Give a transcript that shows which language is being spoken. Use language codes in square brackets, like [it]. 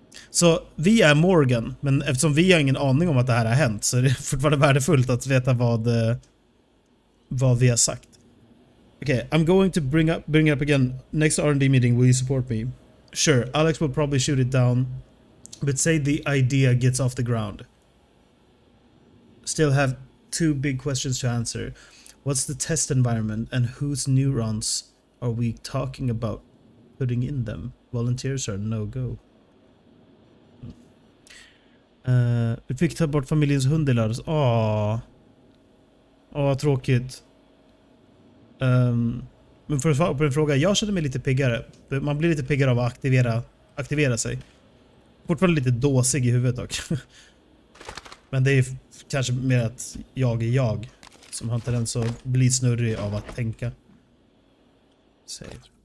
[sv] Så vi är Morgan, men eftersom vi har ingen aning om att det här har hänt, så är det fortfarande värdefullt att veta vad vi har sagt. [en] Okej, okay, I'm going to bring up again. Next R&D meeting, will you support me? Sure, Alex will probably shoot it down. But say the idea gets off the ground. Still have two big questions to answer. What's the test environment and whose neurons are we talking about putting in them? Volunteers are no go. [sv] Vi fick ta bort familjens hund i lördags. Åh, vad tråkigt. Men för att svara på en fråga, jag känner mig lite piggare. Man blir lite piggare av att aktivera sig. Fortfarande lite dåsig i huvudet dock. Men det är kanske mer att jag är jag som har tendens att bli snurrig av att tänka. Säger.